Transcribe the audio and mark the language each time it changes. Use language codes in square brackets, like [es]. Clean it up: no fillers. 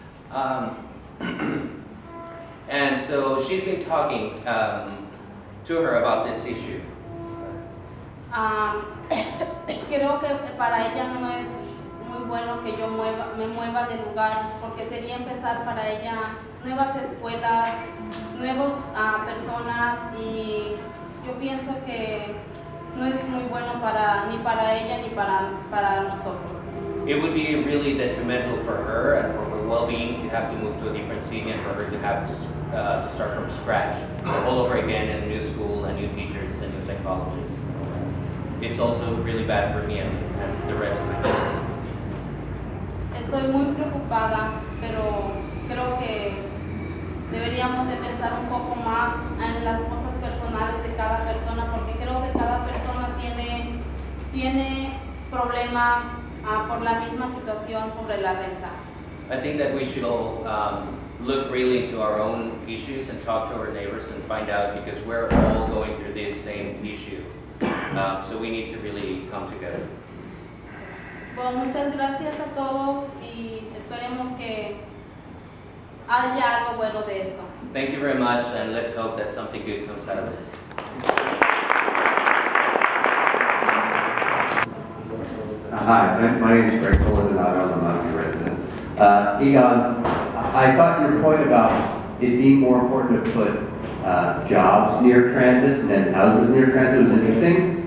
[en] And so she's been talking to her about this issue. [es] Creo que para ella no es bueno que yo me mueva de lugar porque sería empezar para ella nuevas escuelas, nuevos personas y yo pienso que no es muy bueno para ni para ella ni para nosotros. [en] It would be really detrimental for her and for her well-being to have to move to a different city and for her to have to start from scratch all over again in a new school and new teachers and new psychologists. It's also really bad for me and the rest of my family. [es] Estoy muy preocupada, pero creo que deberíamos de pensar un poco más en las cosas personales de cada persona, porque creo que cada persona tiene problemas por la misma situación sobre la renta. [en] I think that we should all look really into our own issues and talk to our neighbors and find out, because we're all going through this same issue. So we need to really come together. [es] Well, muchas gracias a todos y esperemos que haya algo bueno de esto. [en] Thank you very much, and let's hope that something good comes out of this. Hi, my name is Greg Fullerton, and I'm a Miami resident. Egon, I thought your point about it being more important to put jobs near transit than houses near transit was interesting.